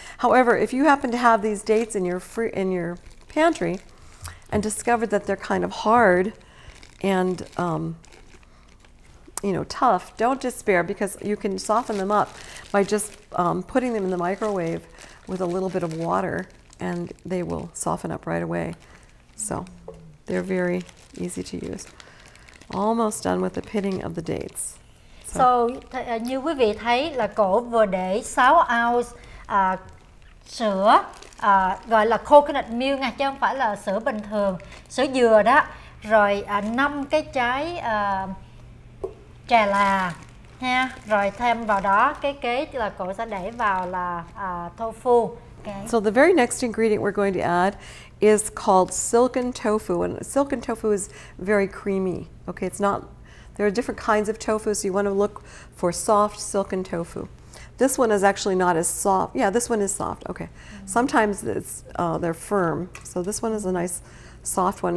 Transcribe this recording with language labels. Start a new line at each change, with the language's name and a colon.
English: However, if you happen to have these dates in your pantry and discover that they're kind of hard and tough, don't despair, because you can soften them up by just putting them in the microwave with a little bit of water, and they will soften up right away. So they're very easy to use. Almost done with the pitting of the dates.
Vietnamese: So như quý vị thấy là cô vừa để 6 ounce sữa gọi là coconut milk nha, chứ không phải là sữa bình thường, sữa dừa đó, rồi 5 cái trái trà là nha, rồi thêm vào đó cái kế là cô sẽ để vào là tofu.
English: Okay. So the very next ingredient we're going to add is called silken tofu, and silken tofu is very creamy. Okay, it's not, there are different kinds of tofu, so you want to look for soft silken tofu. This one is actually not as soft. Yeah, this one is soft. Okay, sometimes it's they're firm, so this one is a nice soft one.